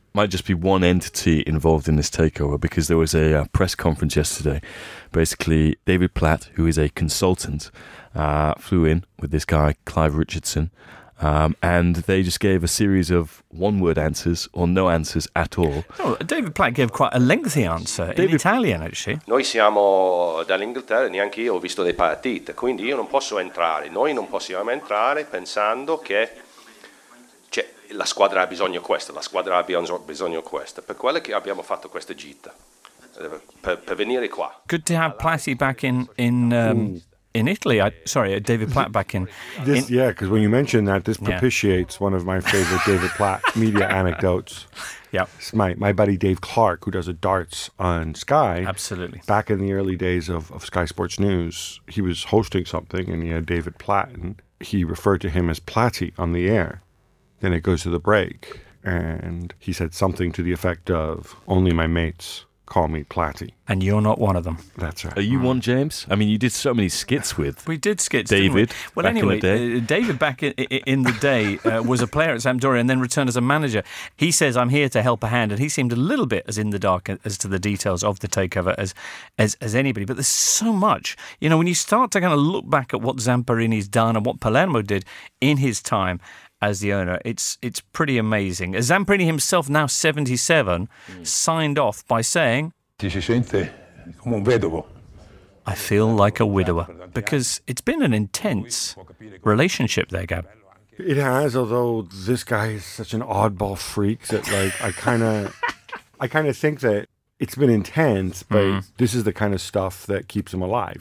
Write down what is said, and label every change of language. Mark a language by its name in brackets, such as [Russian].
[English] Might just be one entity involved in this takeover, because there was a press conference yesterday. Basically, David Platt, who is a consultant, flew in with this guy, Clive Richardson, and they just gave a series of one-word answers or no answers at all. Oh, David Platt gave quite a lengthy answer in Italian, actually. [Italian] Noi siamo dall'Inghilterra, neanche io ho visto le partite, quindi io non posso entrare. Noi non possiamo entrare pensando che la squadra ha bisogno questo, la squadra ha bisogno questo. Per quello che abbiamo fatto questa gita, per venire qua. [English] Good to have Platy back in Italy. David Platt back in. Yeah, because when you mentioned that, this propitiates one of my favorite David Platt media anecdotes. Yeah. It's my buddy Dave Clark, who does a darts on Sky. Absolutely. Back in the early days of Sky Sports News, he was hosting something and he had David Platt and he referred to him as Platy on the air. Then it goes to the break, and he said something to the effect of, only my mates call me Platy. And you're not one of them. That's right. Are you one, James? I mean, you did so many skits with we did skits, David. We? Well, anyway, David back in the day was a player at Sampdoria and then returned as a manager. He says, I'm here to help a hand, and he seemed a little bit as in the dark as to the details of the takeover as anybody. But there's so much. You know, when you start to kind of look back at what Zamperini's done and what Palermo did in his time as the owner, it's pretty amazing. Zamperini himself, now 77, signed off by saying, [Italian] "Ti si sente come un vedovo." [English] I feel like a widower, because it's been an intense relationship there, Gab. It has, although this guy is such an oddball freak that, like, I kind of think that it's been intense, but this is the kind of stuff that keeps him alive.